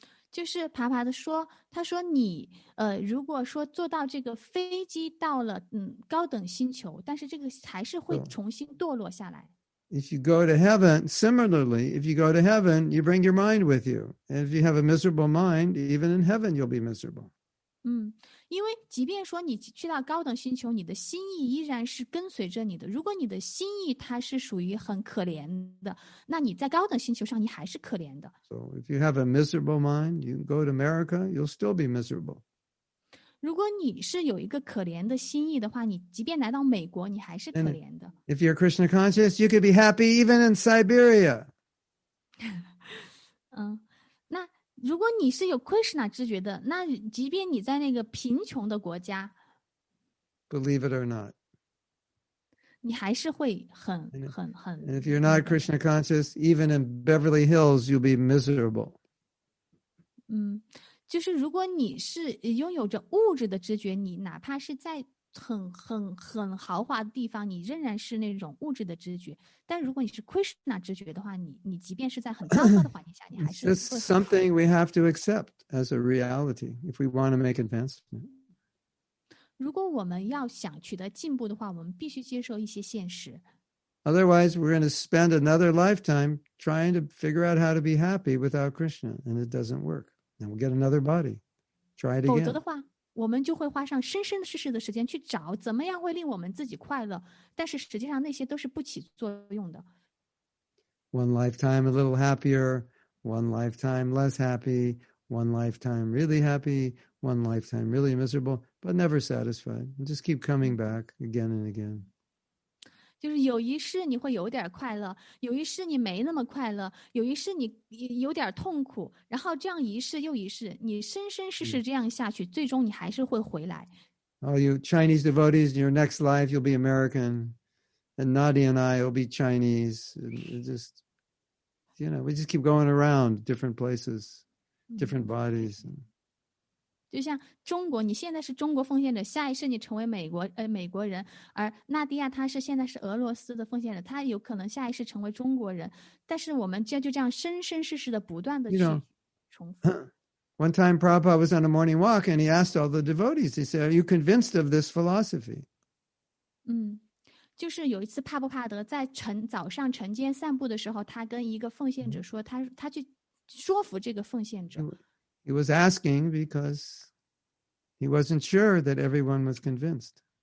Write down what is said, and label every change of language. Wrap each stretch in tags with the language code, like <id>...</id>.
<zh>就是Prabhupada说，他说你如果说坐到这个飞机到了高等星球，但是这个还是会重新堕落下来。</zh> <en>If you go to heaven, similarly, if you go to heaven, you bring your mind with you. And if you have a miserable mind, even in heaven, you'll be miserable.</en> <zh>因为即便说你去到高等星球，你的心意依然是跟随着你的。如果你的心意它是属于很可怜的，那你在高等星球上你还是可怜的。</zh> <en>So if you have a miserable mind, you go to America, you'll still be miserable.</en> <zh>如果你是有一个可怜的心意的话，你即便来到美国，你还是可怜的。</zh> <en>And if you're Krishna conscious, you could be happy even in Siberia.</en> <zh>如果你是有 Krishna 知觉的，那即便你在那个贫穷的国家</zh> <en>，Believe it or not，</en> <zh>你还是会很。</zh> <en>And if you're not Krishna conscious, even in Beverly Hills, you'll be miserable.</en> <zh>就是如果你是拥有着物质的知觉，你哪怕是在很豪华的地方，你仍然是那种物质的知觉。但如果你是 Krishna 知觉的话，你即便是在很糟糕的环境下，你还是。</zh> <en>It's something we have to accept as a reality if we want to make advancement.</en> <zh>如果我们要想取得进步的话，我们必须接受一些现实。</zh> <en>Otherwise, we're going to spend another lifetime trying to figure out how to be happy without Krishna, and it doesn't work. And we'll get another body. Try it again.</en> <zh>否则的话。我们就会花上生生世世的时间去找怎么样会令我们自己快乐，但是实际上那些都是不起作用的。</zh> <en>One lifetime a little happier, one lifetime less happy, one lifetime really happy, one lifetime really miserable, but never satisfied. And just keep coming back again and again.</en> <zh>就是有一世你会有点快乐，有一世你没那么快乐，有一世你有点痛苦，然后这样一世又一世，你生生世世这样下去，最终你还是会回来。</zh> <en>All you Chinese devotees, in your next life you'll be American, and Nadia and I will be Chinese. Just, you know, we just keep going around different places, different bodies.</en> <zh>就像中国，你现在是中国奉献者，下一世你成为美国人，而纳迪亚他是现在是俄罗斯的奉献者，他有可能下一世成为中国人，但是我们就这样生生世世的不断的去重复。</zh> <en>One time Prabhupada was on a morning walk and he asked all the devotees, he said, are you convinced of this philosophy?</en> <zh>就是有一次帕布帕德在早上晨间散步的时候，他跟一个奉献者说，他去说服这个奉献者。</zh> <en>He was asking because he wasn't sure that everyone was convinced.</en>